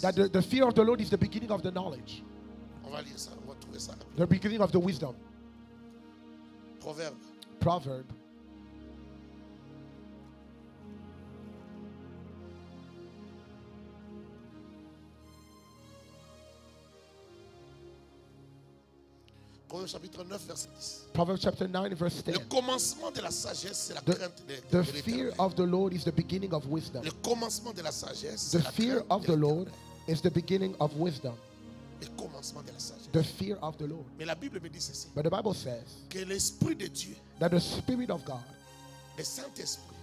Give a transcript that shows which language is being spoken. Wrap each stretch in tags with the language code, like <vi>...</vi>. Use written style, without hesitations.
<en>That the fear of the Lord is the beginning of the knowledge.</en> <fr>On va lire ça, on va trouver ça.</fr> <en>The beginning of the wisdom.</en> <fr>Proverbe. Proverbe. Proverbe chapitre 9 verset 10.</fr> <en>Proverbs chapter 9 verse 10.</en> <fr>Le commencement de la sagesse c'est la crainte de Dieu.</fr> <en>The fear of the Lord is the beginning of wisdom.</en> <fr>Le commencement de la sagesse.</fr> <en>The fear of the Lord is the beginning of wisdom.</en> <fr>Le commencement de la sagesse.</fr> <en>The fear of the Lord.</en> <fr>Mais la Bible me dit ceci.</fr> <en>But the Bible says</en> <fr>que l'esprit de Dieu.</fr> <en>That the spirit of God.</en> <fr>Le Saint-Esprit.</fr>